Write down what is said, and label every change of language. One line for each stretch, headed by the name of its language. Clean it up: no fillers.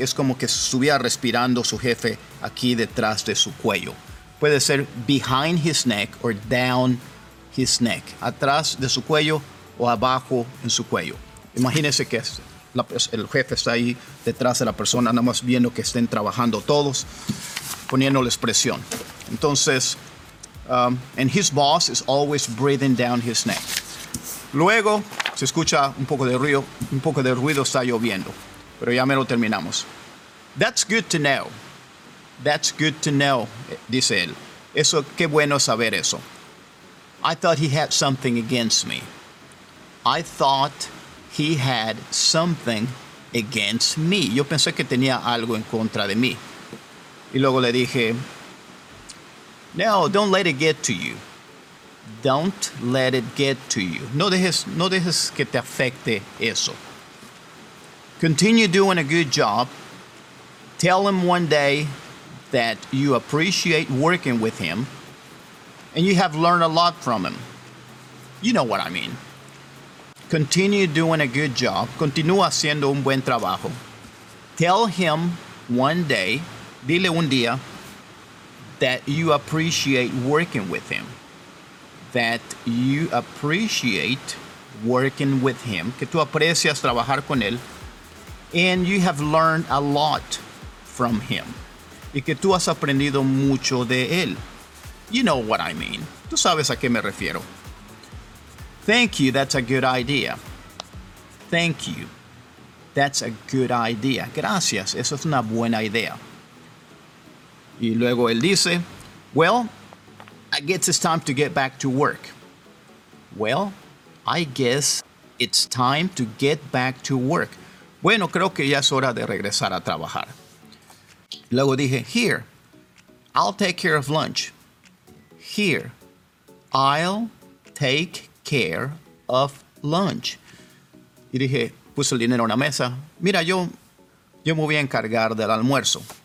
Spanish: Es como que estuviera respirando su jefe aquí detrás de su cuello. Puede ser
English: behind his neck or down his neck.
Spanish: Atrás de su cuello o abajo en su cuello. Imagínese que es. El jefe está ahí detrás de la persona, nada más viendo que estén trabajando todos, poniéndoles presión. Entonces,
English: and his boss is always breathing down his neck.
Spanish: Luego, se escucha un poco de ruido, está lloviendo. Pero ya mero terminamos.
English: That's good to know. That's good to know,
Spanish: dice él. Eso, qué bueno saber eso.
English: I thought he had something against me. I thought... He had something against me.
Spanish: Yo pensé que tenía algo en contra de mí. Y luego le dije, no,
English: don't let it get to you. Don't let it get to you.
Spanish: No dejes que te afecte eso.
English: Continue doing a good job. Tell him one day that you appreciate working with him. And you have learned a lot from him. You know what I mean. Continue doing a good job.
Spanish: Continúa haciendo un buen trabajo.
English: Tell him one day,
Spanish: dile un día,
English: that you appreciate working with him. That you appreciate working with him.
Spanish: Que tú aprecias trabajar con él.
English: And you have learned a lot from him.
Spanish: Y que tú has aprendido mucho de él.
English: You know what I mean.
Spanish: Tú sabes a qué me refiero.
English: Thank you, that's a good idea. Thank you, that's a good idea.
Spanish: Gracias, eso es una buena idea. Y luego él dice,
English: well, I guess it's time to get back to work. Well, I guess it's time to get back to work.
Spanish: Bueno, creo que ya es hora de regresar a trabajar. Luego dije,
English: here, I'll take care of lunch. Here, I'll take care of lunch.
Spanish: Y dije, puse el dinero en la mesa. Mira, yo me voy a encargar del almuerzo.